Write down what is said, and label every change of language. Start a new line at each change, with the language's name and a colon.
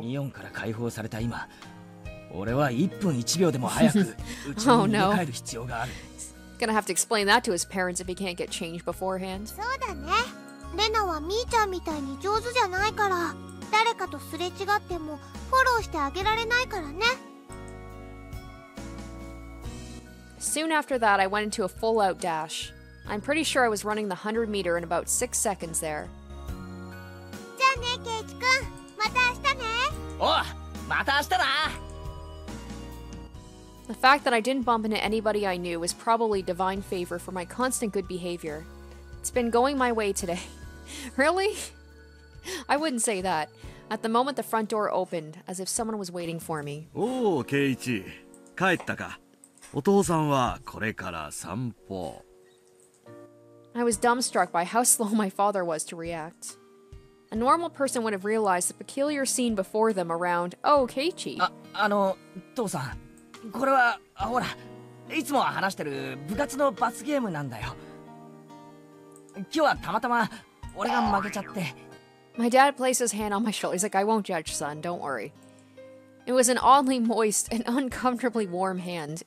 Japanese: Mion から解放された今、俺は1分1秒でも早く家に逃げ帰る必要がある。
English: Gonna have to explain that to his parents if he can't get changed beforehand.
Japanese: そうだね。レナはみーちゃんみたいに上手じゃないから。誰かとすれ違ってもフォローしてあげられないからね。
English: Soon after that, I went into a full-out dash. I'm pretty sure I was running the 100 meter in about 6 seconds there.
Japanese: じゃあね、ケイチ君。また明日ね。おう、また明日だ。
English: The fact that I didn't bump into anybody I knew was probably divine favor for my constant good behavior. It's been going my way today. Really? I wouldn't say that. At the moment, the front door opened, as if someone was waiting for me.
Japanese: Oh, Keiichi. 帰ったか。お父さんはこれから散歩。
English: I was dumbstruck by how slow my father was to react. A normal person would have realized the peculiar scene before them around, Oh, Keiichi.
Japanese: あの、父さん。これは、ほら、いつも話してる部活の罰ゲームなんだよ。今日はたまたま俺が負けちゃって。
English: My dad placed his hand on my shoulder. He's like, I won't judge, son. Don't worry. It was an oddly moist and uncomfortably warm hand.